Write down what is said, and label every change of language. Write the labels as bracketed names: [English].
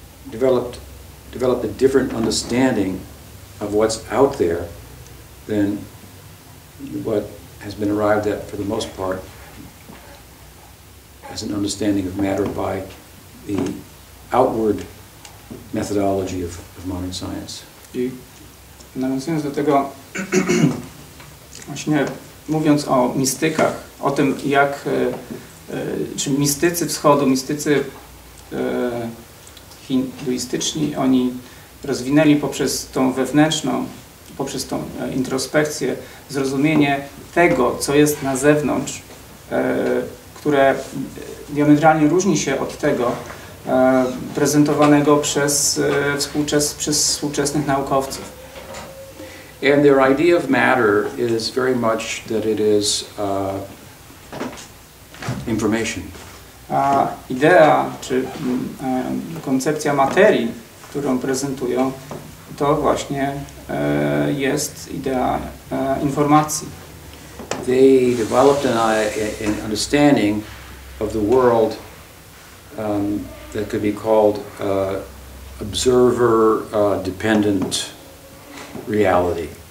[English] developed a different understanding of what's out there than what has been arrived at for the most part as an understanding of matter by the outward methodology of modern science. [Polish] I nawiązując do tego, właśnie mówiąc o mistykach, o tym jak czy mistycy wschodu, mistycy hinduistyczni, oni rozwinęli poprzez tą wewnętrzną, poprzez tą introspekcję, zrozumienie tego, co jest na zewnątrz, które diametralnie różni się od tego prezentowanego przez współczesnych naukowców. [English] And their idea of matter is very much that it is information. [Polish] A idea czy koncepcja materii, którą prezentują, to właśnie jest idea informacji. [English] They developed an understanding of the world that could be called observer-dependent reality.